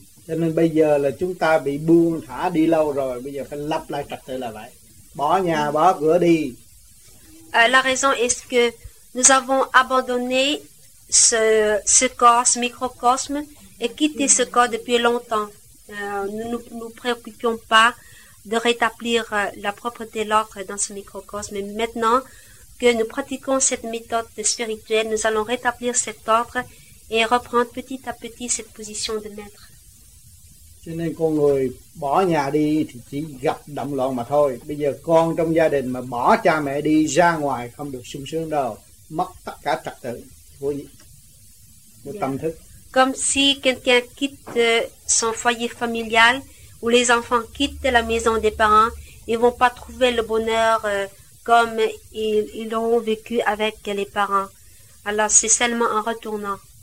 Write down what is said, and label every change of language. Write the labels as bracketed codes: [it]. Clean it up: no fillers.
[vi] Cho nên bây giờ là chúng ta bị buông thả đi lâu rồi, bây giờ phải lắp lại trật tự là vậy. Bỏ nhà, bỏ cửa đi. [fr] La raison est que nous avons abandonné ce corps, ce microcosme, et quitté ce corps depuis longtemps. Nous ne nous préoccupions pas de rétablir la propreté de l'ordre dans ce microcosme. Mais maintenant que nous pratiquons cette méthode spirituelle, nous allons rétablir cet ordre et reprendre petit à petit cette position de maître. [vi] Cho nên con người bỏ nhà đi thì chỉ gặp động loạn mà thôi. Bây giờ con trong gia đình mà bỏ cha mẹ đi ra ngoài không được sung sướng đâu. Mất tất cả trật tự của tâm thức. [fr] Comme si quelqu'un quitte son foyer familial ou les enfants quittent la maison des parents, ils vont pas trouver le bonheur comme ils l'ont vécu avec les parents. Alors c'est seulement en retournant.